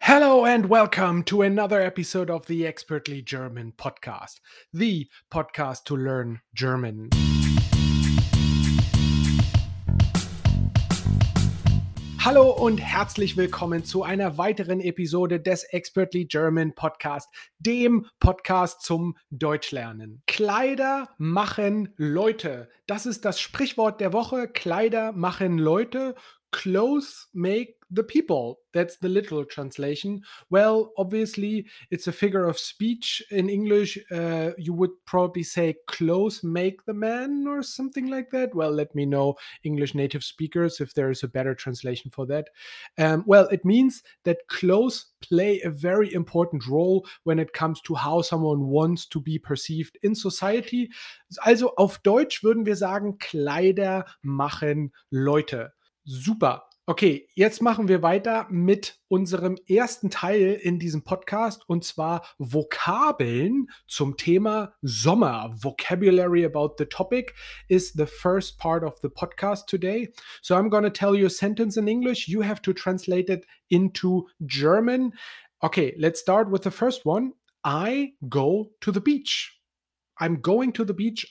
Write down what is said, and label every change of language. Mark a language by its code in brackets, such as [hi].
[en] and welcome to another episode of the Expertly German podcast, the podcast to learn German. [de] Hallo und herzlich willkommen zu einer weiteren Episode des Expertly German Podcast, dem Podcast zum Deutschlernen. Kleider machen Leute. Das ist das Sprichwort der Woche. Kleider machen Leute. [en] Clothes make the people. That's the literal translation. Well, obviously, it's a figure of speech in English. You would probably say clothes make the man or something like that. Well, let me know, English native speakers, if there is a better translation for that. Well, it means that clothes play a very important role when it comes to how someone wants to be perceived in society. [de] Also, auf Deutsch würden wir sagen, Kleider machen Leute. Super. Okay, jetzt machen wir weiter mit unserem ersten Teil in diesem Podcast und zwar Vokabeln zum Thema Sommer. [en] Vocabulary about the topic is the first part of the podcast today. So I'm going to tell you a sentence in English. You have to translate it into German. Okay, let's start with the first one. I go to the beach. I'm going to the beach.